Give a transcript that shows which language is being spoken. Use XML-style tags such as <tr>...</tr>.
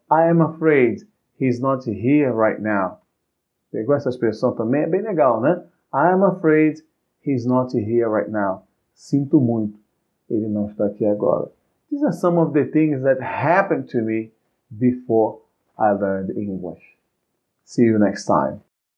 <en>"I am afraid he's not here right now."</en> <pt>Pegou essa expressão também? É bem legal, né?</pt> <en>"I am afraid he's not here right now."</en> <pt>Sinto muito. Ele não está aqui agora.</pt> <en>These are some of the things that happened to me before I learned English. See you next time.</en>